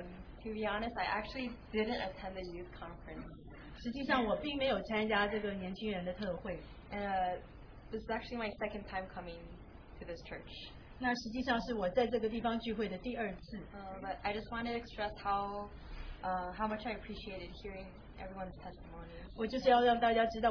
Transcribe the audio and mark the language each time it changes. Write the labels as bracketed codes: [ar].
[en] To be honest, I actually didn't attend the youth conference. [zh] 实际上我并没有参加这个年轻人的特会。 [en] This is actually my second time coming to this church. [zh] 那实际上是我在这个地方聚会的第二次。 [en] But I just wanted to express how much I appreciated hearing everyone's testimony.